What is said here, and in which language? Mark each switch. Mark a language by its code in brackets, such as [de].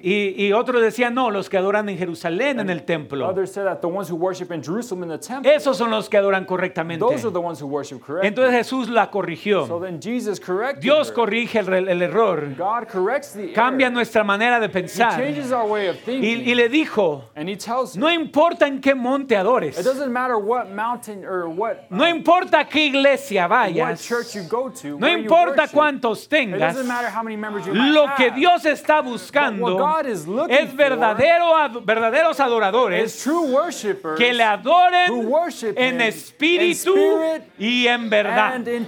[es] Y otros decían, no, los que adoran en Jerusalén, en el templo. [en] Others said that the ones who worship in Jerusalem in the temple, [es] esos son los que adoran correctamente. [en] Those are the ones who worship correctly. [es] Entonces Jesús la corrigió. [en] So then Jesus corrected [es] Dios her. Corrige el error. [en] God corrects the error. [es] Cambia nuestra manera de pensar. [en] He changes our way of thinking. [es] Y le dijo, [en] and he tells her, [es] no importa en qué monte adores. [en] It doesn't matter what mountain or what, [es] no importa qué iglesia vayas. [en] You go to, [es] no importa cuántos tengas, lo que Dios está buscando es verdaderos adoradores que le adoren en espíritu y en verdad.